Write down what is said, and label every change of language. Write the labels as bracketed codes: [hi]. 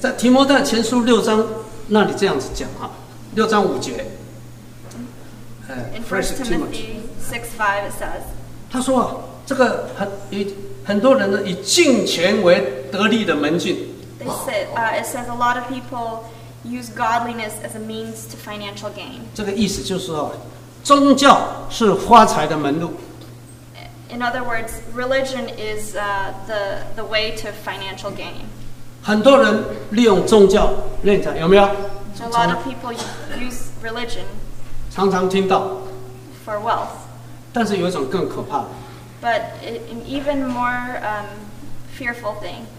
[zh] 在提摩太前书六章那里这样子讲啊，六章五节。 [en] In First Timothy 6:5 it says. [zh] 他说啊，这个很多人呢以敬虔为得力的门径。 [en] They say, it says a lot of people use godliness as a means to financial gain. [zh] 这个意思就是说，宗教是发财的门路。 [en] In other words, religion is the way to financial gain. [zh] 很多人利用宗教敛财，有没有？ [en] A lot of people use religion. [zh] 常常听到。 [en] For wealth. [zh] 但是有一种更可怕的。 [en] But an even more fearful thing.